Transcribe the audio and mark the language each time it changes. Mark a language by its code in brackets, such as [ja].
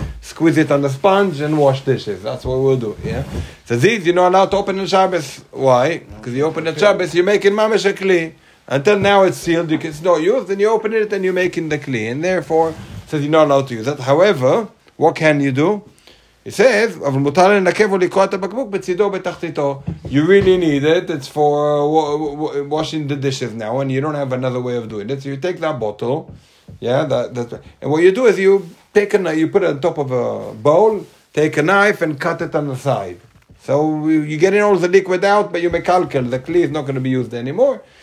[en] Squeeze it on the sponge and wash dishes. That's what we'll do, yeah? So these, you're not allowed to open in Shabbos. Why? Because you open in Shabbos, you're making mamash a kli. Until now it's sealed, it's not used, then you're opening it and you're making the kli. And therefore, it says you're not allowed to use that. However, what can you do? It says, [he] אבל מותר לנקב ולקרוע את הבקבוק בצידו בתחתיתו. [en] You really need it. It's for washing the dishes now, and you don't have another way of doing it. So you take that bottle, yeah? And what you do is you put it on top of a bowl, take a knife and cut it on the side. So you're getting all the liquid out, but you make alcohol. The clay is not going to be used anymore.